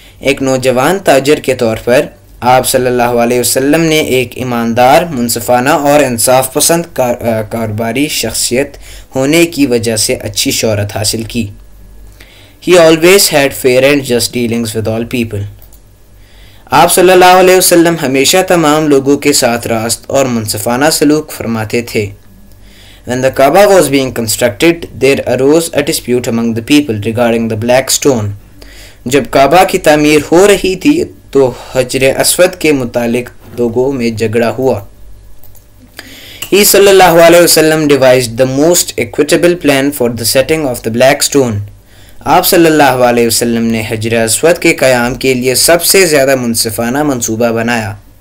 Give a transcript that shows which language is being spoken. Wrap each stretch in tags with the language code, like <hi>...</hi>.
<ur>ایک نوجوان تاجر کے طور پر آپ صلی اللہ علیہ وسلم نے ایک ایماندار, منصفانہ اور انصاف پسند کاروباری شخصیت ہونے کی وجہ سے اچھی شہرت حاصل کی.</ur> <en>He always had fair and just dealings with all people.</en> <ur>آپ صلی اللہ علیہ وسلم ہمیشہ تمام لوگوں کے ساتھ راست اور منصفانہ سلوک فرماتے تھے.</ur> <en>When the Kaaba was being constructed, there arose a dispute among the people regarding the black stone.</en> <ur>جب کعبہ کی تعمیر ہو رہی تھی تو حجر اسود کے متعلق لوگوں میں جھگڑا ہوا.</ur> <en>He</en> <ar>صلی اللہ علیہ وسلم</ar> <en>devised the most equitable plan for the setting of the black stone.</en> <ur>آپ صلی اللہ علیہ وسلم نے حجر اسود کے قیام کے لیے سب سے زیادہ منصفانہ منصوبہ بنایا.</ur>